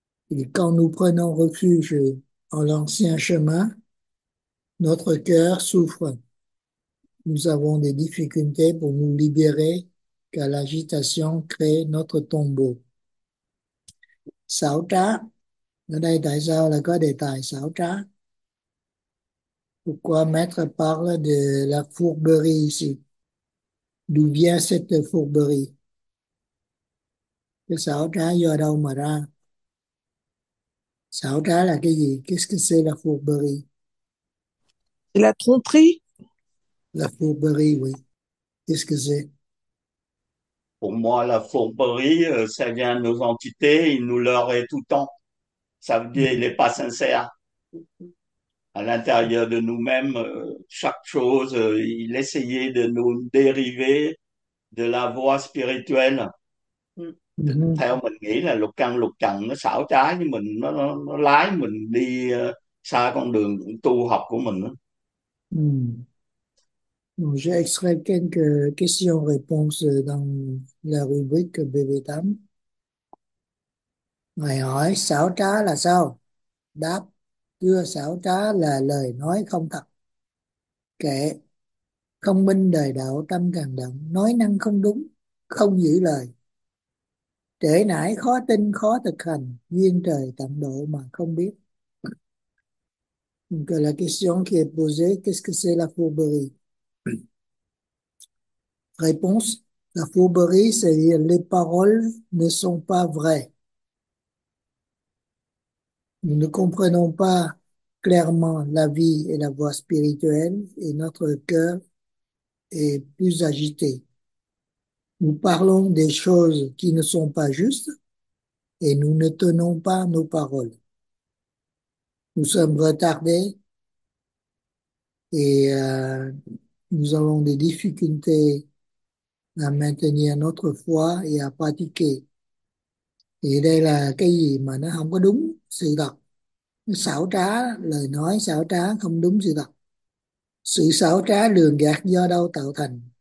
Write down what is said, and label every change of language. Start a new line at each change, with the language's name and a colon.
French: Et quand nous prenons refuge en l'ancien chemin, notre cœur souffre. Nous avons des difficultés pour nous libérer, car l'agitation crée notre tombeau.
Vietnamese: Xảo trá. Ở đây tại sao là có đề tài xảo trá?
French: Pourquoi maître parle de la fourberie ici? D'où vient cette fourberie?
Vietnamese: Cái xảo trá do đâu mà ra? Xảo trá là cái gì?
French: Qu'est-ce que c'est la fourberie? La tromperie. La fourberie, oui. Qu'est-ce que c'est? Pour moi, la fourberie, ça vient de nos entités, il nous leurre tout le temps. Ça veut dire qu'il n'est pas sincère. À l'intérieur de nous-mêmes, chaque chose, il essayait de nous dériver de la voie spirituelle.
Vietnamese: Theo mình nghĩ là lục căng nó xảo trá với mình, nó lái mình đi xa con đường tu học của mình.
French: Donc, j'ai extrait quelques questions-réponses dans la rubrique BB8.
Vietnamese: Ngài hỏi xảo trá là sao? Đáp, thưa xảo trá là lời nói không thật. Kệ, không minh đời đạo tâm càng động, nói năng không đúng, không giữ lời. Trễ nải khó tin khó thực hành, duyên trời tận độ mà không biết.
French: Donc la question qui est posée, qu'est-ce que c'est la fourberie? Réponse, la fourberie, c'est-à-dire les paroles ne sont pas vraies. Nous ne comprenons pas clairement la vie et la voie spirituelle et notre cœur est plus agité. Nous parlons des choses qui ne sont pas justes et nous ne tenons pas nos paroles. Nous sommes retardés et nous avons des difficultés à maintenir notre foi et à pratiquer.
Vietnamese: Et đây là cái gì mà nó không có đúng sự thật. Xảo trá, lời nói xảo trá không đúng sự thật. Sự xảo trá lường gạt do đâu tạo thành?